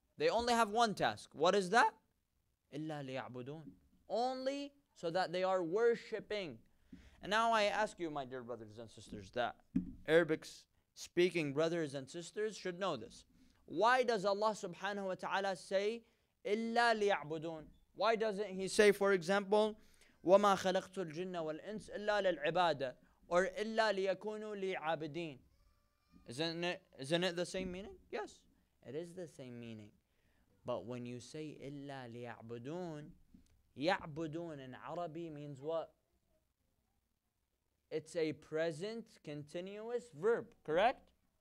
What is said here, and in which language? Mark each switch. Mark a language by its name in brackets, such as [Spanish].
[English] They only have one task. What is that? [Arabic] إِلَّا لِيَعْبُدُونَ. [English] Only so that they are worshipping. And now I ask you, my dear brothers and sisters, that Arabic-speaking brothers and sisters should know this. Why does Allah subhanahu wa ta'ala say, [Arabic] إِلَّا لِيَعْبُدُونَ? [English] Why doesn't he say, for example, [Arabic] وَمَا خَلَقْتُ الْجِنَّ وَالْإِنْسِ إِلَّا لِلْعِبَادَةِ or إِلَّا لِيَكُونُوا لِيَعَابِدِينَ? [English] Isn't it the same meaning? Yes, it is the same meaning. But when you say, [Arabic] إِلَّا لِيَعْبُدُونَ, يعبدون [English] in Arabic means what? It's a present continuous verb, correct?